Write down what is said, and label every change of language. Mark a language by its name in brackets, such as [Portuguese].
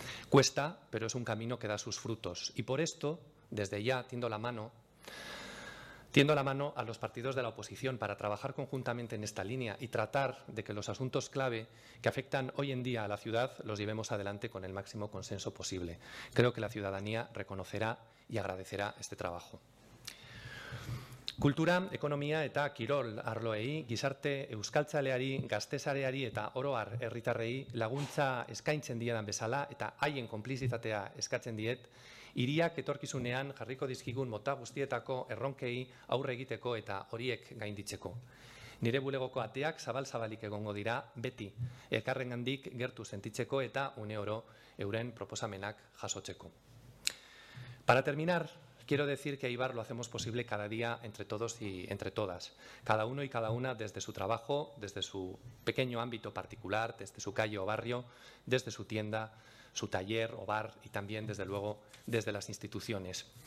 [Spanish] Cuesta, pero es un camino que da sus frutos. Y por esto, desde ya, tiendo la mano a los partidos de la oposición para trabajar conjuntamente en esta línea y tratar de que los asuntos clave que afectan hoy en día a la ciudad los llevemos adelante con el máximo consenso posible. Creo que la ciudadanía reconocerá y agradecerá este trabajo. [Basque] Kultura, ekonomia eta kirol arloei, gizarte euskaltzaleari, gaztesareari eta oroar herritarrei laguntza eskaintzen diedan bezala eta haien konplizitatea eskatzen diet, hiriak etorkizunean jarriko dizkigun mota guztietako erronkei aurre egiteko eta horiek gainditzeko. Nire bulegoko ateak zabal-zabalik egongo dira beti, elkarrengandik gertu sentitzeko eta une oro euren proposamenak jasotzeko. [Spanish] Para terminar, quiero decir que Eibar lo hacemos posible cada día entre todos y entre todas, cada uno y cada una desde su trabajo, desde su pequeño ámbito particular, desde su calle o barrio, desde su tienda, su taller o bar y también, desde luego, desde las instituciones.